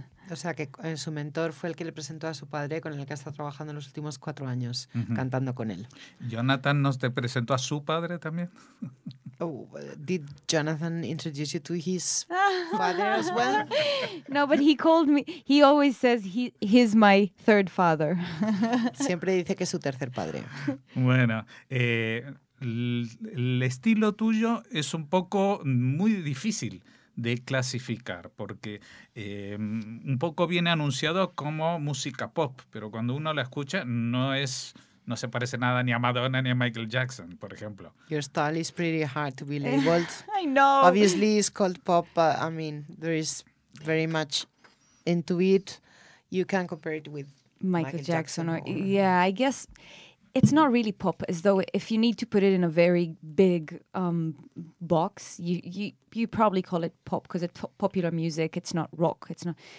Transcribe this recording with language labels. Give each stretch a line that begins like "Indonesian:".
Spanish: O sea que su mentor fue el que le presentó a su padre, con el que ha estado trabajando en los últimos 4 años, uh-huh. cantando con él. ¿Jonathan nos te presentó a su padre también?
English: Oh, did Jonathan introduce you to his father as well? No, but he called me. He always says he's my third father.
Spanish: Siempre dice que es su tercer padre. Bueno, el estilo tuyo es un poco muy difícil de clasificar, porque un poco viene anunciado como música pop, pero cuando uno la escucha no es... No se parece nada ni a Madonna ni a Michael Jackson, por ejemplo.
English: Your style is pretty hard to be labeled. I know. Obviously, it's called pop, but I mean, there is very much into it. You can compare it with Michael Jackson. Or yeah, I guess it's not really pop, as though if you need to put it in a very big box, you probably call it pop because it's popular music. It's not rock. It's not.